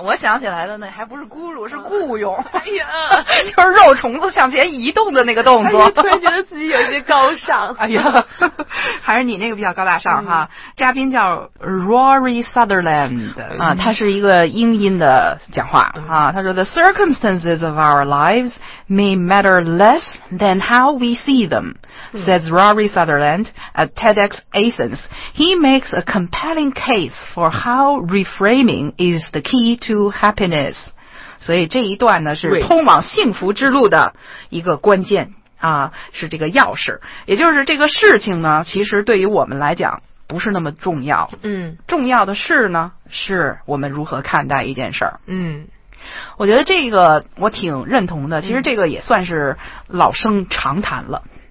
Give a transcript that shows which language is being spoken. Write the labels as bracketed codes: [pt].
[zh] 我想起来的那还不是咕噜，是雇佣。哎呀，就是肉虫子向前移动的那个动作。突然觉得自己有些高尚。哎呀，还是你那个比较高大上哈。嘉宾叫 Rory Sutherland 啊，他是一个英音的讲话啊。 [en] 他说 ：“The circumstances of our lives may matter less than how we see them.” Says Rory Sutherland at TEDx Athens. He makes a compelling case for how reframing is the key to happiness. [zh] 所以这一段呢是通往幸福之路的一个关键啊，是这个钥匙。也就是这个事情呢，其实对于我们来讲不是那么重要。嗯，重要的是呢，是我们如何看待一件事儿。嗯。我觉得这个我挺认同的，其实这个也算是老生常谈了。